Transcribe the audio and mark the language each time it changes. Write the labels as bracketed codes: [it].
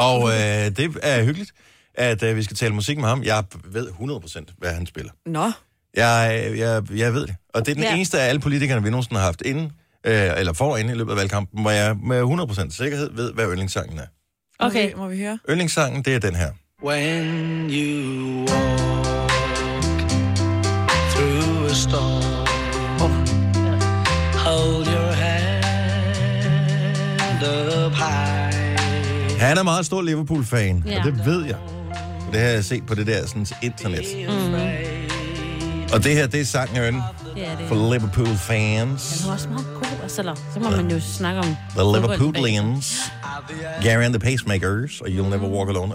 [da] Og det er hyggeligt, at vi skal tale musik med ham. Jeg ved 100%, hvad han spiller. Nå. Jeg ved det. Og det er den eneste af alle politikerne, vi nogensinde har haft inden, eller foran i løbet af valgkampen, hvor jeg med 100% sikkerhed ved, hvad yndlingssangen er. Okay, må vi høre? Yndlingssangen, det er den her. [en] When you walk through a storm, hold your hand up high. [da] Han er meget stor Liverpool-fan, og det ved jeg. Det har jeg set på det der sådan internet. Og det her, det er sangen, ja, for Liverpool fans. Den er også meget god, så må man jo snakke om... The Liverpoolians, Gary and the Pacemakers, og You'll Never Walk Alone.